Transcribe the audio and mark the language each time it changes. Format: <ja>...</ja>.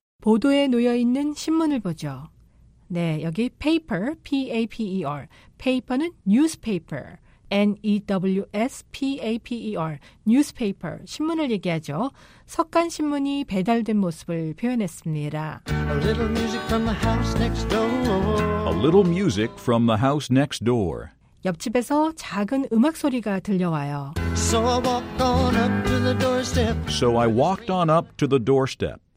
<ko>보도에 놓여 있는 신문을 보죠. 네, 여기 paper, P-A-P-E-R. paper는 newspaper. N-E-W-S-P-A-P-E-R, newspaper, 신문을 얘기하죠. 석간 신문이 배달된 모습을 표현했습니다.</ko> <en>A little music from the house next door. A little music from the house next door.</en> <ko>옆집에서 작은 음악 소리가 들려와요.</ko> <en>So I walked on up to the doorstep. So I walked on up to the doorstep.</en>